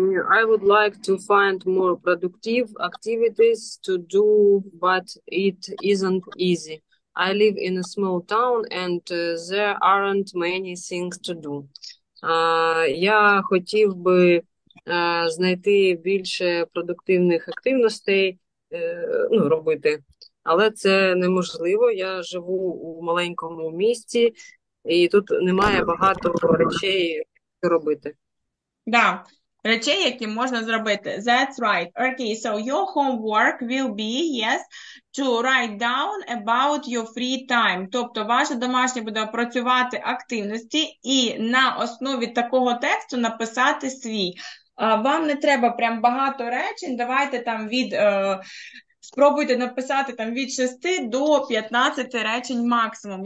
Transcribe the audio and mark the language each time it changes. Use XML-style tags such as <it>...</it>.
<en>I would like to find more productive activities to do, but it isn't easy. I live in a small town, and there aren't many things to do.</en> <uk>Я хотів би знайти більше продуктивних активностей, ну, робити. Але це неможливо. Я живу у маленькому місті, і тут немає багато речей робити. Да, речей, які можна зробити.</uk> <en>That's right. Okay, so your homework will be, yes, to write down about your free time.</en> <uk>Тобто ваше домашнє буде опрацювати активності і на основі такого тексту написати свій. Вам не треба прям багато речень. Давайте там від... Спробуйте написати там від 6 до 15 речень максимум.</uk>